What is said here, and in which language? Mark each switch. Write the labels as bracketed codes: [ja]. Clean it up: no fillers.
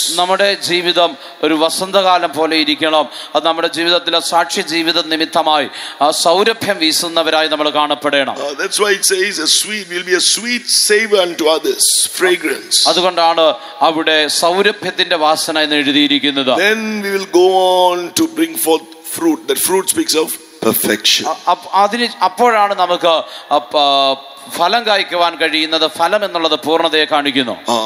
[ml] നമ്മുടെ ജീവിതം ഒരു വസന്തകാലം പോലെ ഇരിക്കണം. അത് നമ്മുടെ ജീവിതത്തിലെ സാക്ഷ്യ ജീവിതം നിമിത്തമായി സൗരഭ്യം വീശുന്നവരായി നമ്മൾ കാണപ്പെടണം. [en] That's why it says a sweet will be a sweet savor unto others, fragrance. [ml] അതുകൊണ്ടാണ് അവിടെ സൗരഭ്യത്തിന്റെ വാസന എന്ന് എഴുതിയിരിക്കുന്നത്. [en] Then we will go on to bring forth fruit. That fruit speaks of perfection. [ml] അതിനെ അപ്പോഴാണ് നമുക്ക് ഫലം കായ്ക്കുവാൻ കഴിയുന്നത്, ഫലം എന്നുള്ളത് പൂർണ്ണതയെ കാണിക്കുന്നു.